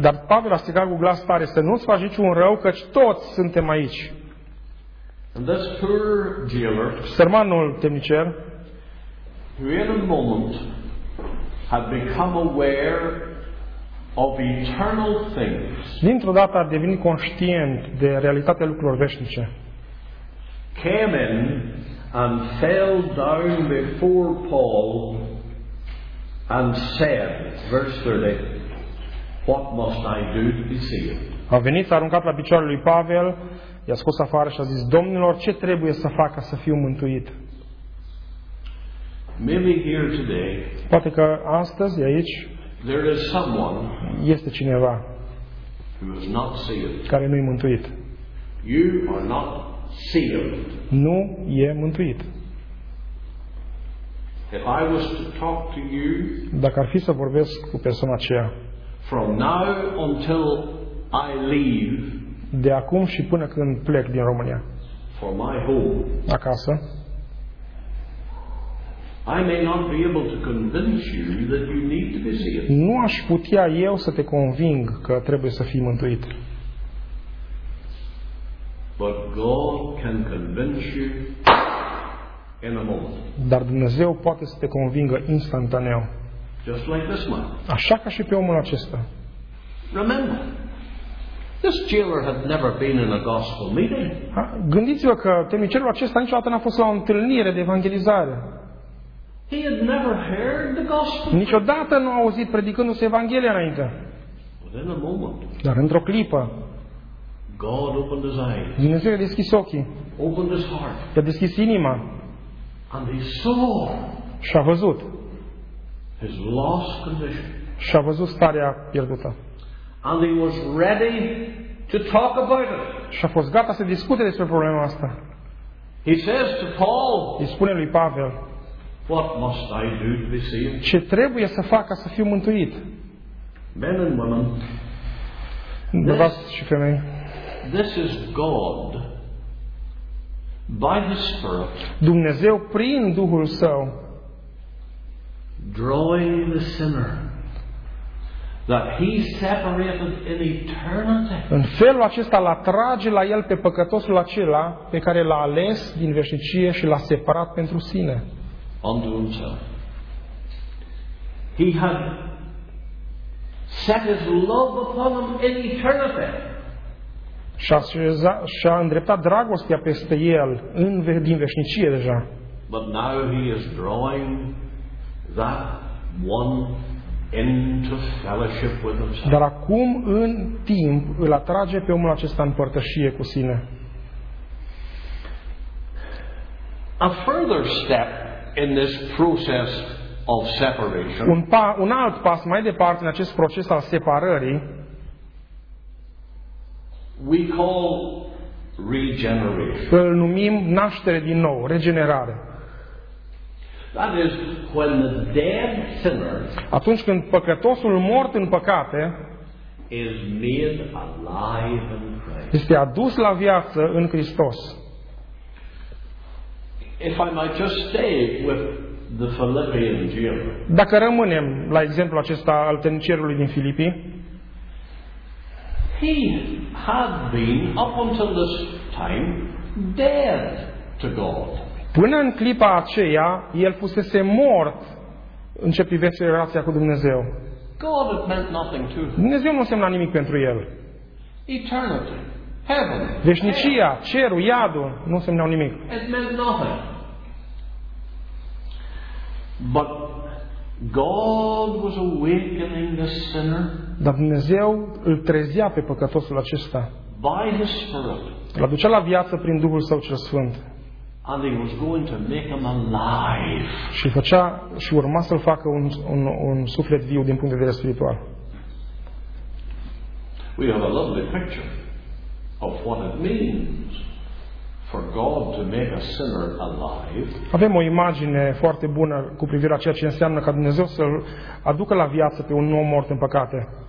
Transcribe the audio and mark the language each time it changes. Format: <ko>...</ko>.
<ro>Dar Pavel a strigat cu glas tare, să nu-ți faci niciun rău, căci toți suntem aici.</ro> <en>And this poor jailer,</en> <ro>sărmanul temnicer,</ro> <en>who in a moment had become aware of eternal things,</en> <ro>dintr-o dată a devenit conștient de realitatea lucrurilor veșnice,</ro> <en>came in and fell down before Paul and said, verse 30, "What must I do to be saved?"</en> <ro>A venit, s-a aruncat la picioarele lui Pavel, i-a scos afară și a zis, "Domnilor, ce trebuie să fac ca să fiu mântuit?"</ro> <en>Maybe here today,</en> <ro>poate că astăzi aici,</ro> <en>there is someone,</en> <ro>este cineva</ro> <en>who is not saved,</en> <ro>care nu e mântuit.</ro> <en>You are not saved.</en> <ro>Nu e mântuit.</ro> <en>If I was to talk to you,</en> <ro>dacă ar fi să vorbesc cu persoana aceea,</ro> <en>from now until I leave,</en> <ro>de acum și până când plec din România,</ro> <en>for my home,</en> <ro>acasă,</ro> <en>I may not be able to convince you that you need to be saved.</en> <ro>Nu aș putea eu să te conving că trebuie să fii mântuit.</ro> <en>But God can convince you in a moment.</en> <ro>Dar Dumnezeu poate să te convingă instantaneu.</ro> <en>Just like this man.</en> <ro>Așa ca și pe omul acesta.</ro> <en>Remember, this jailer had never been in a gospel meeting.</en> <ro>Gândiți-vă că temnicerul acesta niciodată n-a fost la o întâlnire de evangelizare.</ro> <en>He had never heard the gospel.</en> <ro>Niciodată nu a auzit predicându-se Evanghelia înainte.</ro> <en>But in a moment,</en> <ro>dar într-o clipă,</ro> <en>God opened his eyes.</en> <ro>Dumnezeu i-a deschis ochii.</ro> <en>Opened his heart.</en> <ro>I-a deschis inima.</ro> <en>And he saw.</en> <ro>Și-a văzut.</ro> <en>His lost condition.</en> <ro>Și-a văzut starea pierdută.</ro> <en>And he was ready to talk about it.</en> <ro>Și-a fost gata să discute despre problema asta.</ro> <en>He says to Paul.</en> <ro>Îi spune lui Pavel.</ro> <en>What must I do to be saved?</en> <ro>Ce trebuie să fac ca să fiu mântuit?</ro> <en>Men and women,</en> <ro>bărbați și femei,</ro> <en>this is God by the Spirit.</en> <ro>Dumnezeu prin Duhul Său,</ro> <en>drawing the sinner that he separated in eternity.</en> <ro>În felul acesta l-atrage la el pe păcătosul acela pe care l-a ales din veșnicie și l-a separat pentru sine.</ro> <en>Unto himself. He had set his love upon him in eternity.</en> <ro>Și-a îndreptat dragostea peste el în, din veșnicie deja.</ro> <en>But now he is drawing that one into fellowship with himself.</en> <ro>Dar acum în timp îl atrage pe omul acesta în părtășie cu sine.</ro> <en>A further step in this process of separation.</en> <ro>Un alt pas mai departe în acest proces al separării.</ro> <en>We call regeneration.</en> <ro>Îl numim naștere din nou, regenerare.</ro> <en>That is when the dead sinner,</en> <ro>atunci când păcătosul mort în păcate,</ro> <en>is made alive in Christ.</en> <ro>Este adus la viață în Hristos.</ro> <en>If I might just stay with the Philippian jailer.</en> <ro>Dacă rămânem la exemplul acesta al tăniciarului din Filipii.</ro> <en>He had been up until this time dead to God.</en> <ro>Până în clipa aceea, el fusese mort în ce privește relația cu Dumnezeu.</ro> <en>God had meant nothing to him.</en> <ro>Dumnezeu nu însemna nimic pentru el.</ro> <en>Eternity, heaven,</en> <ro>veșnicia, cerul, iadul, nu însemnau nimic.</ro> <en>It meant nothing. But God was awakening the sinner.</en> <ro>Dar Dumnezeu îl trezea pe păcătosul acesta.</ro> <en>By his Spirit.</en> <ro>L-a ducea la viață prin Duhul Său cel Sfânt.</ro> <en>And he was going to make him alive.</en> <ro>Și făcea și urma să-l facă un suflet viu din punct de vedere spiritual.</ro> <en>We have a lovely picture of what it means for God to make a sinner alive.</en> <ro>Avem o imagine foarte bună cu privire la ceea ce înseamnă ca Dumnezeu să-l aducă la viață pe un om mort în păcate.</ro>